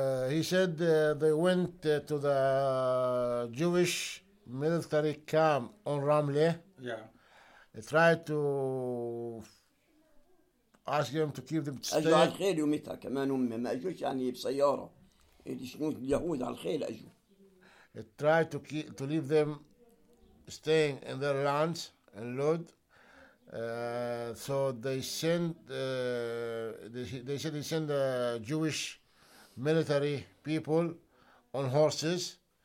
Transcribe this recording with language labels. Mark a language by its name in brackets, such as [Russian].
[English] He said they went to the Jewish military camp on Ramle. Yeah. They tried to ask them to keep them to stay. [Arabic] أجوا على الخيل يومتها كمان أمي ما أجوش يعني بسيارة. الشنود اليهود على الخيل أجوا. [English] They tried to keep, to leave them staying in their lands and load. So they sent, they sent Jewish military people on horses.